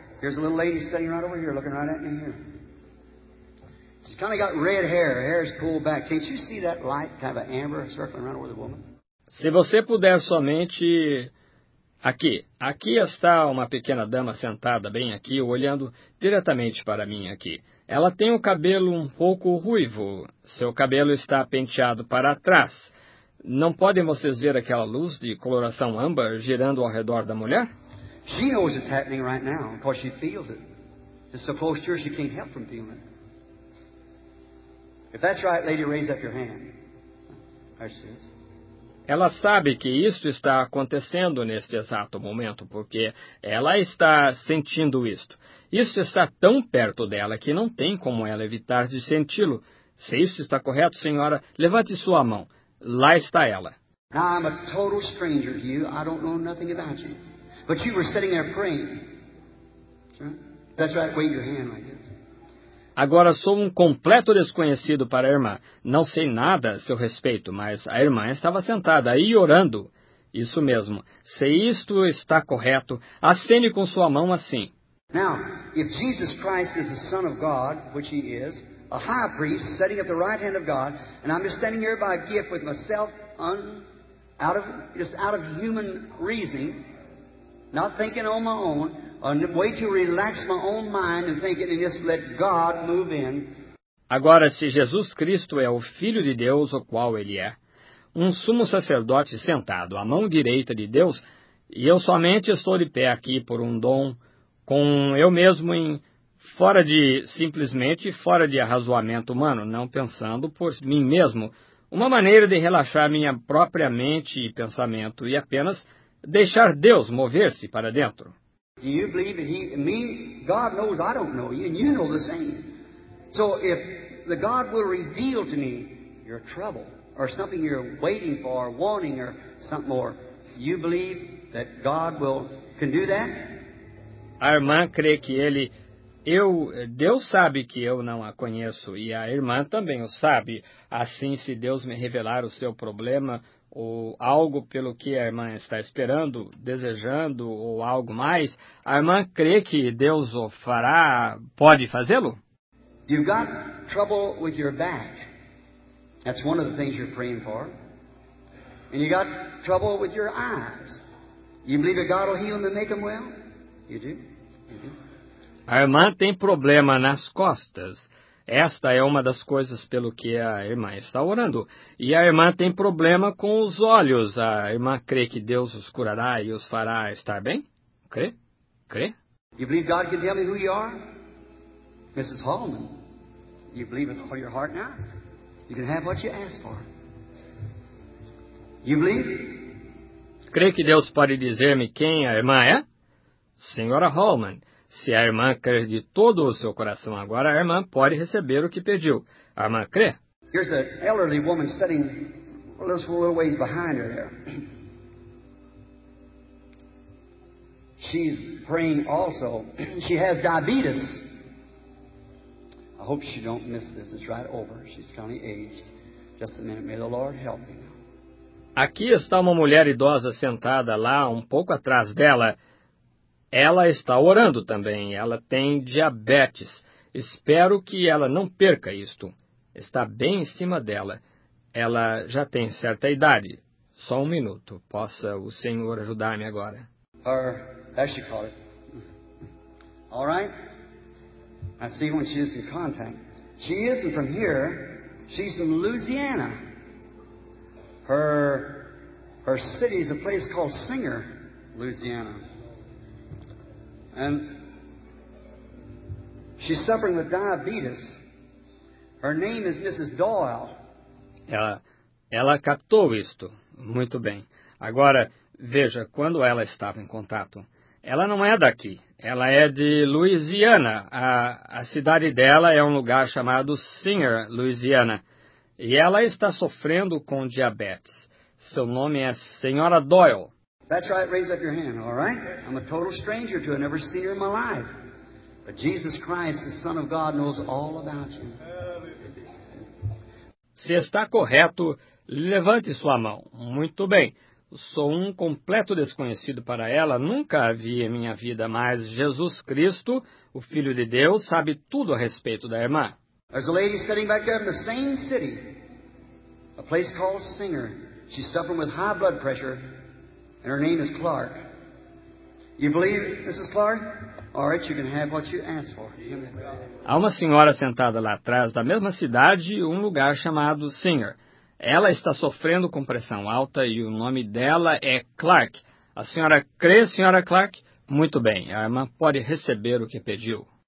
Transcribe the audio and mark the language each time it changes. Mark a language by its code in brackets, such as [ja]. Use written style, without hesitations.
[en] Here's a little lady sitting right over here, looking right at me here. She's kind of got red hair. Her hair is pulled back. Can't you see that light, kind of an amber, circling right over the woman? [pt] Se você puder somente... Aqui está uma pequena dama sentada bem aqui, olhando diretamente para mim aqui. Ela tem o cabelo um pouco ruivo. Seu cabelo está penteado para trás. Não podem vocês ver aquela luz de coloração âmbar girando ao redor da mulher? [en] She knows it's happening right now, because she feels it. It's supposed to, she can't help from feeling it. If that's right, lady, raise up your hand. There she is. [pt] Ela sabe que isto está acontecendo neste exato momento, porque ela está sentindo isto. Isto está tão perto dela que não tem como ela evitar de senti-lo. Se isto está correto, senhora, levante sua mão. Lá está ela. [en] Now, I'm a total stranger to you. I don't know nothing about you. But you were sitting there praying. That's right, wave your hand like this. [pt] Agora sou um completo desconhecido para a irmã. Não sei nada a seu respeito, mas a irmã estava sentada aí orando. Isso mesmo. Se isto está correto, acene com sua mão assim. [en] Now, if Jesus Christ is the Son of God, which he is, a high priest sitting at the right hand of God, and I'm just standing here by a gift with myself out of human reasoning, not thinking on my own. A way to relax my own mind and think it and just let God move in. [pt] Agora, se Jesus Cristo é o Filho de Deus, o qual ele é, um sumo sacerdote sentado à mão direita de Deus, e eu somente estou de pé aqui por um dom, com eu mesmo em simplesmente fora de arrazoamento humano, não pensando por mim mesmo, uma maneira de relaxar minha própria mente e pensamento e apenas deixar Deus mover-se para dentro. [en] Do you believe that God knows I don't know you, and you know the same. So if the God will reveal to me your trouble, or something you're waiting for, or wanting, or something more, you believe that God can do that? [pt] A irmã crê que ele, Deus sabe que eu não a conheço, e a irmã também o sabe. Assim, se Deus me revelar o seu problema, ou algo pelo que a irmã está esperando, desejando, ou algo mais, a irmã crê que Deus o fará, pode fazê-lo? [en] You've got trouble with your back. That's one of the things you're praying for. And you got trouble with your eyes. You believe that God will heal them and make them well? You do? You do? [pt] A irmã tem problema nas costas. Esta é uma das coisas pelo que a irmã está orando. E a irmã tem problema com os olhos. A irmã crê que Deus os curará e os fará estar bem? Crê? Crê? [en] You believe God can tell me who you are? Mrs. Hallman, you believe with all your heart now? You can have what you ask for. You believe? [pt] Creio que Deus pode dizer-me quem a irmã é? Senhora Holman, se a irmã crê de todo o seu coração agora, a irmã pode receber o que pediu. A irmã crê? [en] Here's an elderly woman sitting a little ways behind her there. She's praying also. She has diabetes. I hope she don't miss this. It's right over. She's kind of aged. Just a minute. May the Lord help me. [pt] Aqui está uma mulher idosa sentada lá, um pouco atrás dela. Ela está orando também. Ela tem diabetes. Espero que ela não perca isto. Está bem em cima dela. Ela já tem certa idade. Só um minuto. Possa o Senhor ajudar-me agora. [en] Her, that she called it. All right. I see when she is in contact. She isn't from here. She's from Louisiana. Her city is a place called Singer, Louisiana. And she's suffering with diabetes. Her name is Mrs. Doyle. [pt] Ela captou isto. Muito bem. Agora, veja, quando ela estava em contato, ela não é daqui. Ela é de Louisiana. A cidade dela é um lugar chamado Singer, Louisiana. E ela está sofrendo com diabetes. Seu nome é Senhora Doyle. [en] That's right. Raise up your hand, all right? I'm a total stranger to her. Never seen her in my life. But Jesus Christ, the Son of God, knows all about you. [pt] Se está correto, levante sua mão. Muito bem. Sou um completo desconhecido para ela. Nunca a vi em minha vida, mas Jesus Cristo, o Filho de Deus, sabe tudo a respeito da irmã. [en] There's a lady sitting back there in the same city, a place called Singer. She's suffering with high blood pressure, and her name is Clark. You believe, Mrs. Clark? All right, you can have what you ask for. [pt] Há uma senhora sentada lá atrás da mesma cidade, um lugar chamado Singer. Ela está sofrendo com pressão alta e o nome dela é Clark. A senhora crê, senhora Clark? Muito bem, a irmã pode receber o que pediu.